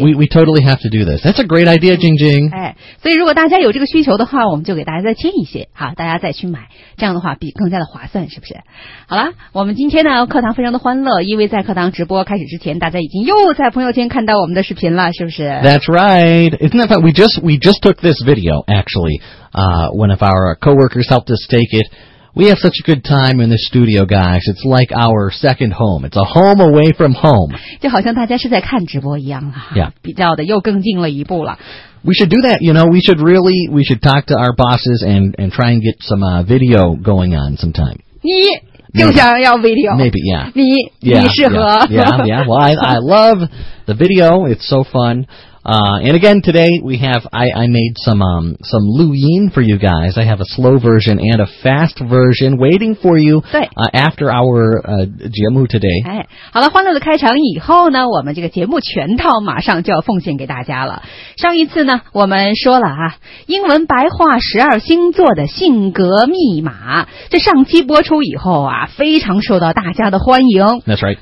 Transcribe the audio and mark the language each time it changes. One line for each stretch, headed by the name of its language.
English: We totally have to do this. That's a great idea, Jingjing.
Chinese: 哎，所以如果大家有这个需求的话，我们就给大家再签一些。好，大家再去买，这样的话比更加的划算，是不是？好了，我们今天呢课堂非常的欢乐，因为在课堂直播开始之前，大家已经又在朋友圈看到我们的视频了，是不是
English: ？That's right. Isn't that fun? We just took this video actually. One of our coworkers helped us take it. We have such a good time in the studio, guys. It's like our second home. It's a home away from home.
Chinese: 就好像大家是在看直播一样啊。
English: Yeah.
Chinese: 比较的又更近了一步了。
English: We should do that, you know. We should talk to our bosses and try and get some video going on sometime.
Chinese: 你就想要 video.
English: Maybe, yeah.
Chinese: 你
English: yeah,
Chinese: 你适合。
English: Yeah. Well, I love the video. It's so fun. And again, today we have, I made some Lu Yin for you guys. I have a slow version and a fast version waiting for you, after our, 节目 today.
Chinese: 哎，好了，欢乐的开场以后呢，我们这个节目全套马上就要奉献给大家了。上一次呢，我们说了啊，英文白话12星座的性格密码，这上期播出以后啊，非常受到大家的欢迎。
English: That's right.